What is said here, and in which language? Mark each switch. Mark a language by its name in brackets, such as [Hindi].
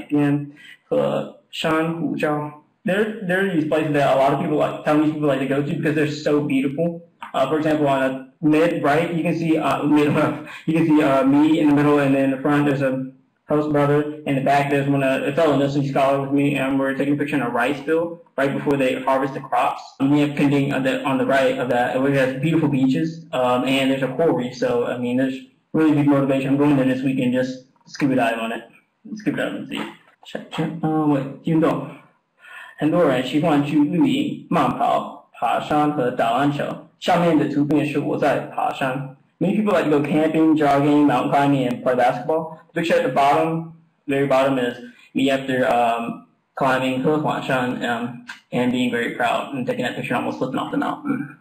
[Chinese] 这个图片是我林业室水上林和一个技术家庭的弟弟，背景是一片优美的稻田。肯定，很多人说，如果你不去垦丁的话，你不能说你去过台湾。这里很漂亮，这里有很漂亮的景点，比如说漂亮海边和珊瑚礁。 [English] There are these places that a lot of people like Taiwanese people like to go to because they're so beautiful. For example, on a mid right, you can see me in the middle, and then in the front there's a host brother, and in the back there's a fellow nursing scholar with me, and we're taking a picture in a rice field right before they harvest the crops. We have Kending on the right of that, and we have beautiful beaches, and there's a coral reef. So I mean, there's really big motivation. I'm going there this weekend, just scuba dive and see. Check. [Chinese] 很多人喜欢去露营、慢跑、爬山和打篮球。下面的图片是我在爬山。 [English] Many people like to go camping, jogging, mountain climbing, and play basketball. The picture at the bottom, very bottom, is me after climbing Hehuashan and being very proud and taking that picture, almost slipping off the mountain.